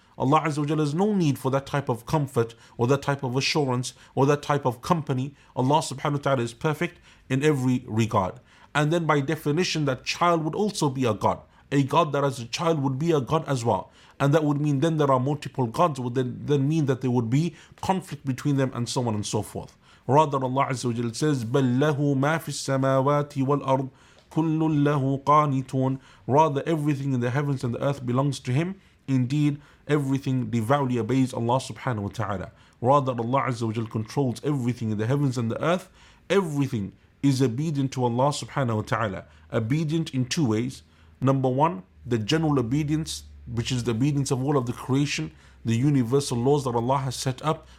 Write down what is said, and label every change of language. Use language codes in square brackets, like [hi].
[en] Allah Azza wa Jalla has no need for that type of comfort or that type of assurance or that type of company. Allah subhanahu wa ta'ala is perfect in every regard. And then by definition, that child would also be a god. A god that has a child would be a god as well. And that would mean then there are multiple gods, would then mean that there would be conflict between them and so on and so forth. Rather, Allah Azza wa Jalla says, [ar] بَلْ لَهُ مَا فِي السَّمَاوَاتِ وَالْأَرْضِ كُلُّ لَهُ قَانِتُونَ. [en] Rather, everything in the heavens and the earth belongs to him. Indeed, everything devoutly obeys Allah subhanahu wa ta'ala. Rather, Allah Azza wa Jal controls everything in the heavens and the earth. Everything is obedient to Allah subhanahu wa ta'ala. Obedient in two ways. Number one, the general obedience, which is the obedience of all of the creation, the universal laws that Allah has set up.